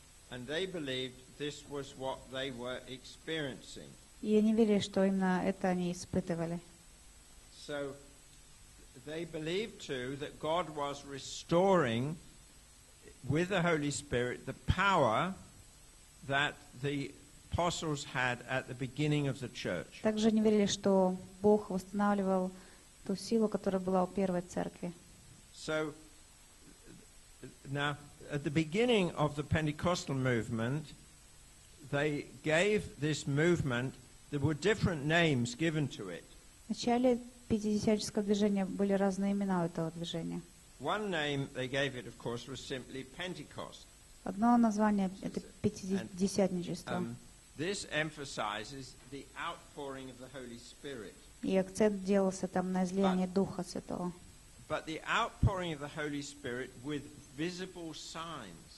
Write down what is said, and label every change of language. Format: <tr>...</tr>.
<en>And they believed this was what they were experiencing.</en> <ru>И они верили, что именно это они испытывали.</ru> <en>So they believed too that God was restoring with the Holy Spirit the power that the apostles had at the beginning of the church.</en> <ru>Также они верили, что Бог восстанавливал ту силу, которая была у первой церкви.</ru> <en>So now at the beginning of the Pentecostal movement, they gave this movement, there were different names given to it.</en> <ru>В начале пятидесятнического движения были разные имена этого движения.</ru> <en>One name they gave it, of course, was simply Pentecost.</en> <ru>Одно название — это пятидесятничество.</ru> <en>This emphasizes the outpouring of the Holy Spirit.</en> <ru>И акцент делался там на излияние Духа Святого.</ru> <en>But the outpouring of the Holy Spirit with visible signs.</en>